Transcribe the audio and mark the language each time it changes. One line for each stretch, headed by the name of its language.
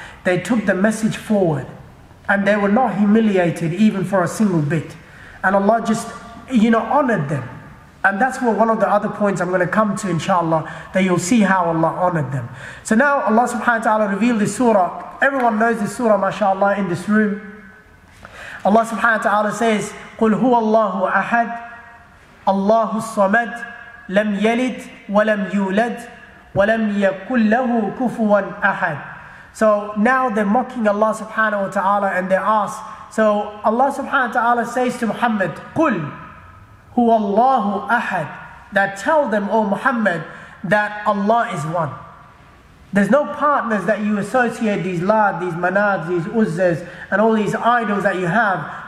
English: They took the message forward and they were not humiliated even for a single bit. And Allah just, you know, honored them. And that's what one of the other points I'm going to come to, inshallah, that you'll see how Allah honored them. So now Allah subhanahu wa ta'ala revealed this surah. Everyone knows this surah, mashallah, in this room. Allah subhanahu wa ta'ala says,
Arabic: قُلْ هُوَ اللَّهُ أَحَدْ اللَّهُ الصَّمَدْ لَمْ يَلِدْ وَلَمْ يُولَدْ وَلَمْ يَكُلْ لَهُ كُفُوًا أَحَدْ.
English: So now they're mocking Allah subhanahu wa ta'ala and they ask. So Allah subhanahu wa ta'ala says to Muhammad,
Arabic: قُلْ هُوَ اللَّهُ أَحَدْ.
English: That tell them, O Muhammad, that Allah is one. There's no partners that you associate these lad, these manads, these uzzas, and all these idols that you have.